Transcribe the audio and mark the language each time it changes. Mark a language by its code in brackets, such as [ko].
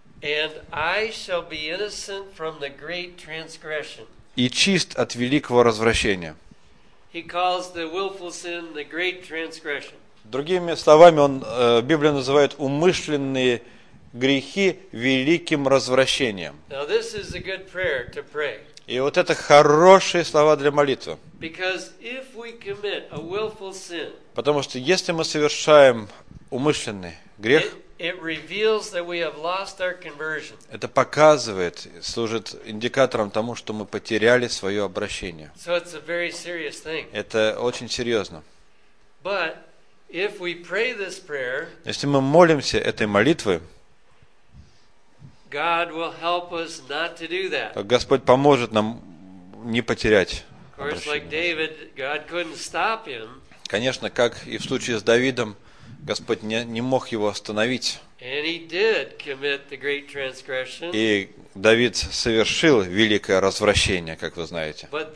[en] And I shall be innocent from the great transgression. [ru] И чист от великого развращения. [en] He calls the willful sin the great transgression. [ru] Другими словами, он Библия называет умышленные грехи великим развращением. [en] Now this is a good prayer to pray. [ru] И вот это хорошие слова для молитвы. [en] Because if we commit a willful sin, [ru] потому что если мы совершаем умышленный грех, [en] it, It reveals that we have lost our conversion. [ru] Это показывает, служит индикатором тому, что мы потеряли свое обращение. [en] So it's a very serious thing. [ru] Это очень серьезно. [en] But if we pray this prayer, [ru] если мы молимся этой молитвы, [en] God will help us not to do that. [ru] Господь поможет нам не потерять обращение. [en] Of course, like David, God couldn't stop him. [ru] Конечно, как и в случае с Давидом, Господь не мог его остановить. И Давид совершил великое развращение, как вы знаете.